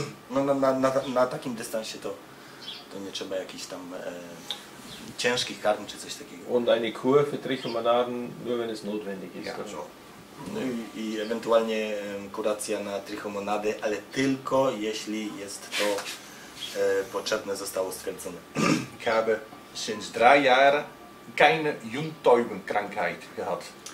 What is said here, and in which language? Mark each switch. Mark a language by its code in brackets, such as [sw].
[pl] No, na takim dystansie to nie trzeba jakichś tam ciężkich karm czy coś takiego. [de] Und eine Kur für Trichomonaden, nur wenn es notwendig ist. Ja, so. [pl] No i ewentualnie kuracja na trichomonady, ale tylko jeśli jest to potrzebne, zostało stwierdzone. [de] Ich habe seit drei Jahren keine Jungtäubenkrankheit gehabt.